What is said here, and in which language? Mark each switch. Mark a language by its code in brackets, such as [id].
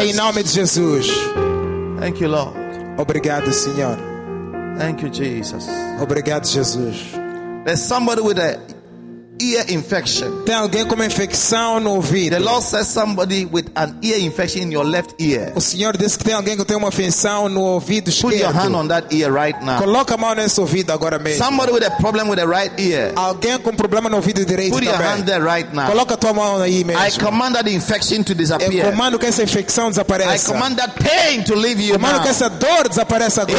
[pt] Em nome de Jesus. [en] Thank you, Lord. [pt] Obrigado, Senhor. [en] Thank you, Jesus. [pt] Obrigado, Jesus. [en] There's somebody with a ear infection. [pt] Tem alguém com uma infecção no ouvido. [en] The Lord says somebody with an ear infection in your left ear. [pt] O Senhor diz que tem alguém que tem uma infecção no ouvido esquerdo. [en] Put your hand on that ear right now. [pt] Coloca a mão nesse ouvido agora mesmo. [en] Somebody with a problem with the right ear. [pt] Alguém com problema no ouvido direito. [en] Put your hand there right now. [pt] Coloca a tua mão aí mesmo. [en] I command that infection to disappear. [pt] Eu comando que essa infecção desapareça. [en] I command that pain to leave you. [pt] Comando que essa dor desapareça agora.